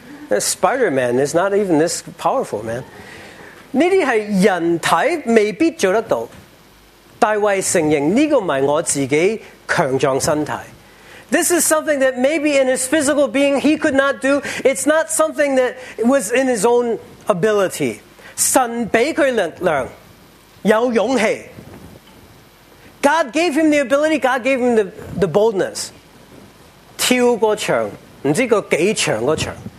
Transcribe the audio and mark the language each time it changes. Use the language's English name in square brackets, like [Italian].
[English] Spider-Man is not even this powerful, man. [Chinese] 这些是人体未必做得到。大卫承认，这个不是我自己强壮身体。 [English] This is something that maybe in his physical being he could not do. It's not something that was in his own ability. [Chinese] 神给他力量，有勇气。 [English] God gave him the ability, God gave him the boldness. [Chinese] 跳过墙，不知道几长个墙。